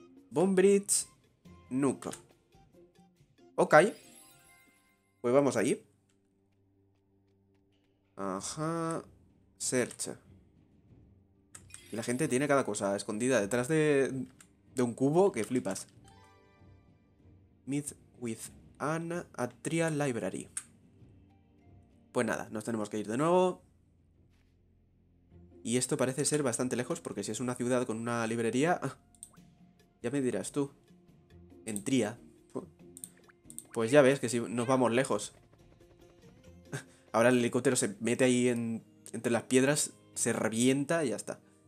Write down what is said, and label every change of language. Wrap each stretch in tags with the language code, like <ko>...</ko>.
<es>Bonbridge Nook. Ok. Pues vamos ahí. Ajá. Search. Y la gente tiene cada cosa escondida detrás de un cubo que flipas.</es> <en>Meet with an Atria Library.</en> <es>Pues nada, nos tenemos que ir de nuevo. Y esto parece ser bastante lejos, porque si es una ciudad con una librería... Ya me dirás tú. En Tria. Pues ya ves que si nos vamos lejos. Ahora el helicóptero se mete ahí entre las piedras, se revienta y ya está.</es>